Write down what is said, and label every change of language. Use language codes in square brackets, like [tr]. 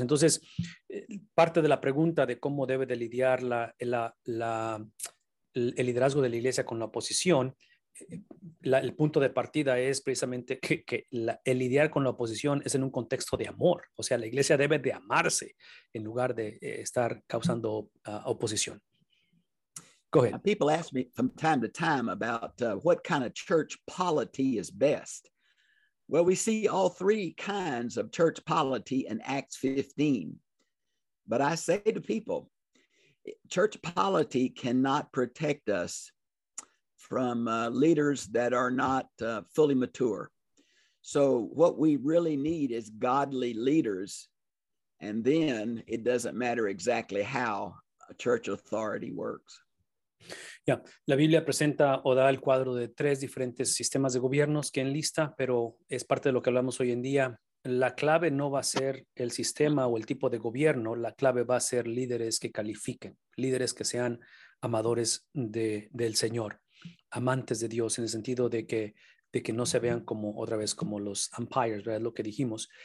[es] Entonces, parte de la pregunta de cómo debe de lidiar el liderazgo de la iglesia con la oposición, el punto de partida es precisamente el lidiar con la oposición es en un contexto de amor. O sea, la iglesia debe de amarse en lugar de estar causando oposición. [en] Go ahead. People ask me from time to time about what kind of church polity is best. Well, we see all three kinds of church polity in Acts 15. But I say to people, church polity cannot protect us from leaders that are not fully mature. So what we really need is godly leaders. And then it doesn't matter exactly how a church authority works. Yeah. [es] La Biblia presenta o da el cuadro de tres diferentes sistemas de gobiernos que enlista, pero es parte de lo que hablamos hoy en día. La clave no va a ser el sistema o el tipo de gobierno, la clave va a ser líderes que califiquen, líderes que sean amadores del Señor, amantes de Dios, en el sentido de que no se vean como, otra vez, como los umpires, ¿verdad? Lo que dijimos.